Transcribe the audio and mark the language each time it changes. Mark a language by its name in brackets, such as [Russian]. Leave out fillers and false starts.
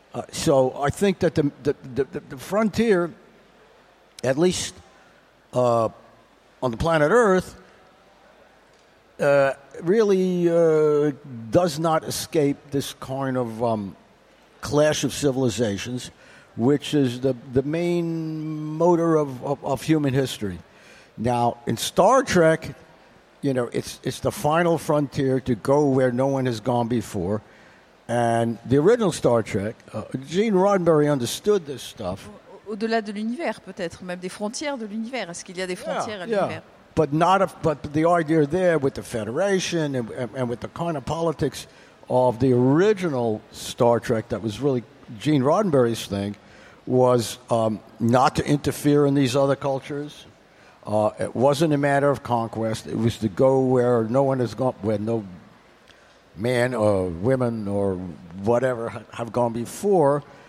[English] So I think that the frontier, at least on the planet Earth, really does not escape this kind of clash of civilizations, which is the main motor of human history. Now, in Star Trek, you know, it's the final frontier to go where no one has gone before. And the original Star Trek, Gene Roddenberry understood this stuff. [French] Au-delà de l'univers, peut-être, même des frontières de l'univers. Est-ce qu'il y a des frontières à l'univers? [English] But the idea there with the Federation and with the kind of politics of the original Star Trek that was really Gene Roddenberry's thing was not to interfere in these other cultures. It wasn't a matter of conquest. It was to go where no one has gone, where no man or women or whatever have gone before.